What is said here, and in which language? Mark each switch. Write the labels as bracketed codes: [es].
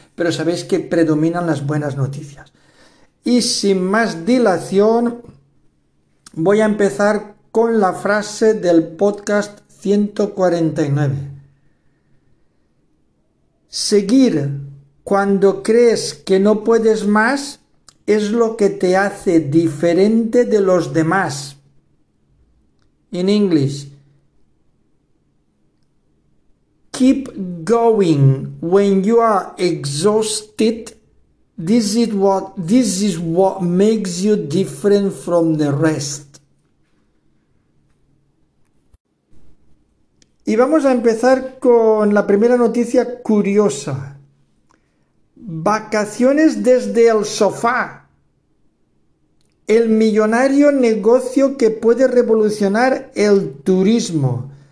[es] Pero sabéis que predominan las buenas noticias. Y sin más dilación, voy a empezar con la frase del podcast 149. Seguir cuando crees que no puedes más es lo que te hace diferente de los demás. [en] In English. Keep going when you are exhausted. This is what makes you different from the rest. [es] Y vamos a empezar con la primera noticia curiosa. Vacaciones desde el sofá. El millonario negocio que puede revolucionar el turismo.